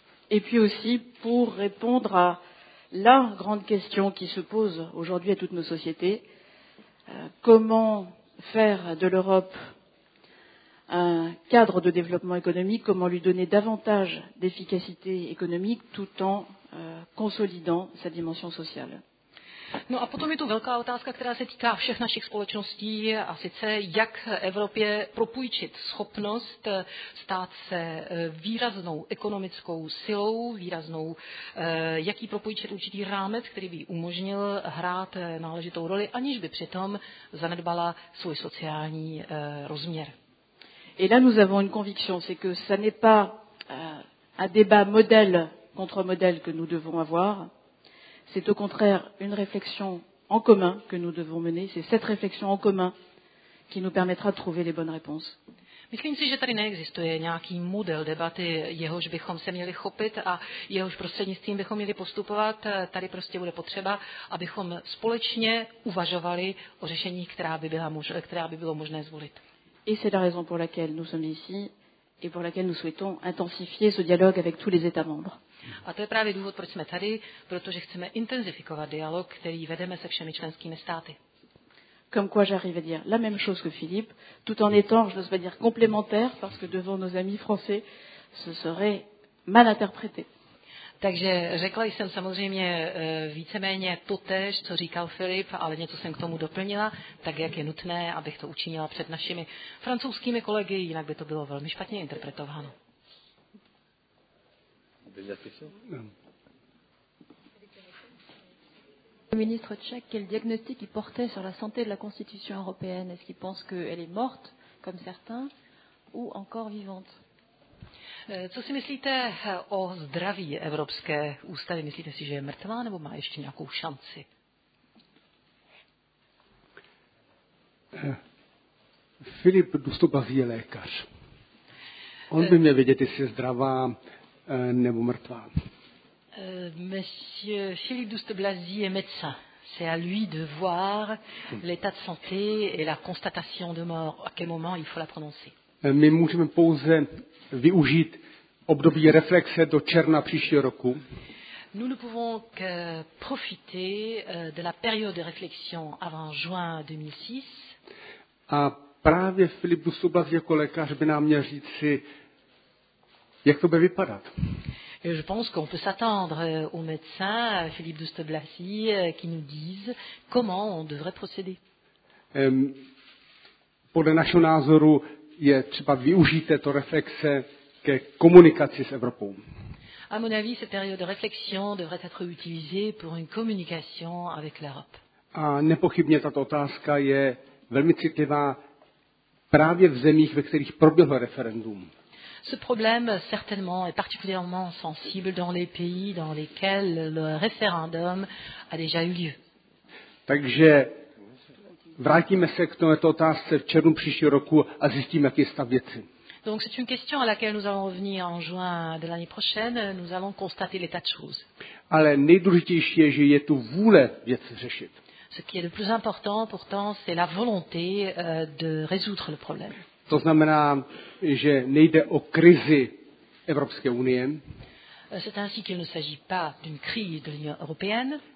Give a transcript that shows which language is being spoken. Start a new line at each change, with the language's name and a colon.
French: Et puis aussi pour répondre à la grande question qui se pose aujourd'hui à toutes nos sociétés. Comment faire de l'Europe un cadre de développement économique, comment lui donner davantage d'efficacité économique tout en consolidant sa dimension sociale.
Czech: No a potom je tu velká otázka, která se týká všech našich společností, a sice jak Evropě propůjčit schopnost stát se výraznou ekonomickou silou, výraznou, jak jí propůjčit určitý rámec, který by umožnil hrát náležitou roli, aniž by přitom zanedbala svůj sociální rozměr.
French: Et là nous avons une conviction, c'est que ça n'est pas un débat modèle contre modèle que nous devons avoir. C'est au contraire une réflexion en commun que nous devons mener. C'est cette réflexion en commun qui nous permettra de trouver les bonnes réponses.
Czech: Myslím si, že tady neexistuje nějaký model debaty, jehož bychom se měli chopit a jehož prostřednictvím bychom měli postupovat. Tady prostě bude potřeba, abychom společně uvažovali o řešení, která by bylo možné zvolit.
French: Et c'est la raison pour laquelle nous sommes ici et pour laquelle nous souhaitons intensifier ce dialogue avec tous les États membres.
Czech: A to je právě důvod, proč jsme tady, protože chceme intenzifikovat dialog, který vedeme se všemi členskými státy.
French: Comme quoi j'arrive à dire la même chose que Philippe, tout en étant, je n'ose pas dire complémentaire, parce que devant nos amis français, ce serait mal interprété.
Czech: Takže řekla jsem samozřejmě víceméně totéž, co říkal Filip, ale něco jsem k tomu doplnila, tak jak je nutné, abych to učinila před našimi francouzskými kolegy, jinak by to bylo velmi špatně interpretováno.
French: Le ministre tchèque, quel diagnostic il portait sur la santé de la Constitution européenne? Est-ce qu'il pense qu'elle est morte, comme certains, ou encore vivante?
Czech: Co si myslíte o zdraví Evropské ústavy? Myslíte si, že je mrtvá nebo má ještě nějakou šanci? Filip Dustobazí je lékař. On by měl vědět, jestli je zdravá nebo mrtvá.
French: Monsieur Philippe Dustoblasi est médecin. C'est à lui de voir l'état de santé et la constatation de mort. À quel moment il faut la prononcer?
Czech: My můžeme pouze využít období reflexe do června příštího roku.
French: Nous ne pouvons que profiter de la période de réflexion avant juin 2006.
Czech: A právě Philippe Dustoblasi jako lékař by nám měl říct si, jak to bude vypadat.
French: Et je pense qu'on peut s'attendre au médecin Philippe Dustoblasi qui nous dise comment on devrait procéder.
Czech: Podle našeho názoru je třeba využít této reflexe ke komunikaci s Evropou.
French: À mon avis, cette période de réflexion devrait être utilisée pour une communication avec l'Europe.
Czech: A nepochybně tato otázka je velmi citlivá právě v zemích, ve kterých proběhlo referendum.
French: Ce problème certainement est particulièrement sensible dans les pays dans lesquels le référendum a déjà eu lieu.
Czech: Takže vrátíme se k této otázce v červnu příštího roku a zjistíme, jaký je stav věci.
French: Donc c'est une question à laquelle nous allons revenir en juin de l'année prochaine, nous allons constater l'état de choses.
Czech: Ale nejdůležitější je, že je tu vůle věci řešit.
French: Ce qui est le plus important pourtant, c'est la volonté de résoudre le problème.
Czech: To znamená, že nejde o krizi Evropské unie.
French: C'est ainsi qu'il ne s'agit pas d'une crise de l'Union européenne.